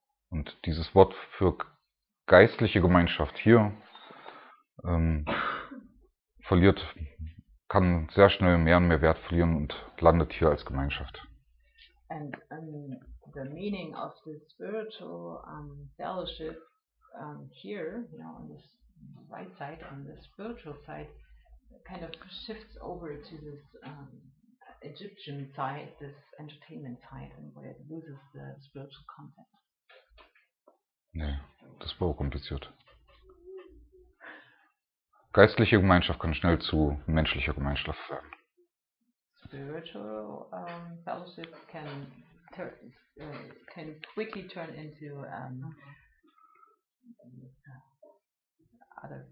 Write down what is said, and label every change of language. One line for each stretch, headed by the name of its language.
German: Und dieses Wort für geistliche Gemeinschaft hier verliert, kann sehr schnell mehr und mehr Wert verlieren und landet hier als Gemeinschaft.
English: And the meaning of the spiritual fellowship here, you know, on this right side, on the spiritual side, kind of shifts over to this Egyptian side, this entertainment side, and where it loses the spiritual content.
German: Nee, das war auch kompliziert. Geistliche Gemeinschaft kann schnell zu menschlicher Gemeinschaft werden.
English: Spiritual fellowship can quickly turn into other